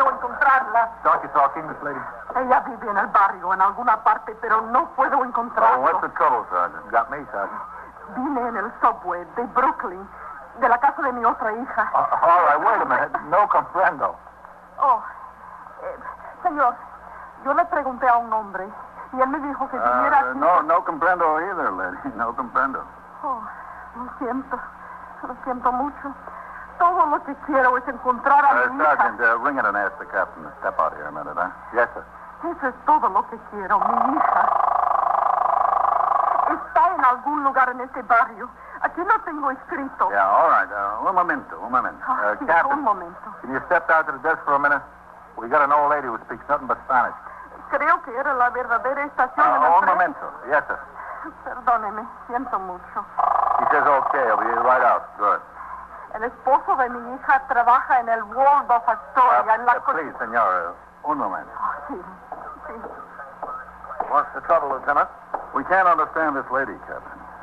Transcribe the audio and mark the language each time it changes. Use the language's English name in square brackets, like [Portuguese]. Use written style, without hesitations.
[English] Wait a minute, just a second, lady. I don't understand you, lady. Start you talking, Miss Lady. [Spanish] Ella vive en el barrio, en alguna parte, pero no puedo encontrarla. [English] What's the trouble, Sergeant? Got me, Sergeant. [Spanish] Vine en el subway de Brooklyn, de la casa de mi otra hija. [English] All right, wait a minute. [Spanish] No comprendo. Oh, señor, yo le pregunté a un hombre... Y él me dijo que viniera aquí. No comprendo [English] either, lady. [Spanish] No comprendo. Oh, lo siento mucho. Todo lo que quiero es encontrar a mi hija. [English] Sergeant, ring it and ask the captain to step out here a minute, huh? Yes, sir. [Spanish] Eso es todo lo que quiero, mi hija. Está en algún lugar en este barrio. Aquí no tengo escrito. [English] Yeah, all right. [Spanish] Un momento. Captain, un momento. [English] Can you step out to the desk for a minute? We got an old lady who speaks nothing but Spanish. [Spanish] Creo que era la verdadera estación en el tren. Un momento. [English] Yes, sir. [Spanish] Perdóneme. Siento mucho. [English] He says, okay, I'll be right out. Good. [Spanish] El esposo de mi hija trabaja en el Waldorf Astoria. [English] Please, [Spanish] señor. Un momento. Sí. [English] What's the trouble, Lieutenant? We can't understand this lady, Captain.